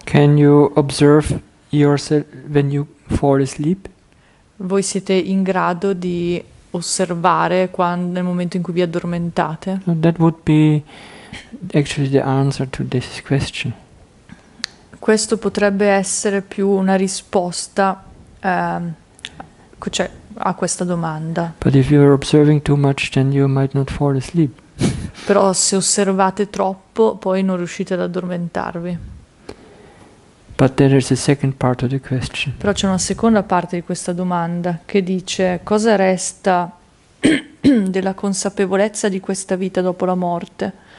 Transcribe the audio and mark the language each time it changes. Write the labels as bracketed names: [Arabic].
[English] Can you observe yourself when you fall asleep? [Italian] Voi siete in grado di osservare quando, nel momento in cui vi addormentate? [English] That would be actually the answer to this question. [Italian] Questo potrebbe essere più una risposta cioè a questa domanda. [English] But if you're observing too much, then you might not fall asleep. [Italian] Però se osservate troppo, poi non riuscite ad addormentarvi. [English] But there is a second part of the question. [Italian] Però c'è una seconda parte di questa domanda che dice: cosa resta della consapevolezza di questa vita dopo la morte?